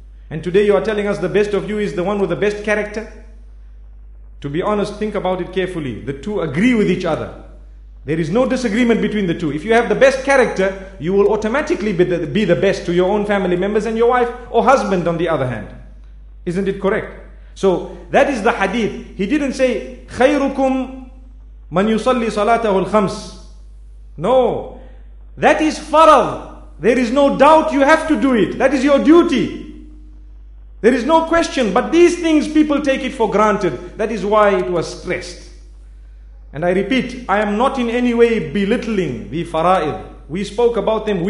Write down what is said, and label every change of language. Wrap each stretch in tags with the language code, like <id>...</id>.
<en>And today you are telling us the best of you is the one with the best character? To be honest, think about it carefully. The two agree with each other. There is no disagreement between the two. If you have the best character, you will automatically be the best to your own family members and your wife or husband on the other hand. Isn't it correct? So that is the hadith. He didn't say,</en> <ar>خَيْرُكُمْ مَنْ يُصَلِّ صَلَاتَهُ الْخَمْسِ.</ar> <en>No. That is farad. There is no doubt you have to do it. That is your duty. There is no question, but these things people take it for granted. That is why it was stressed. And I repeat, I am not in any way belittling the fara'id. We spoke about them.</en>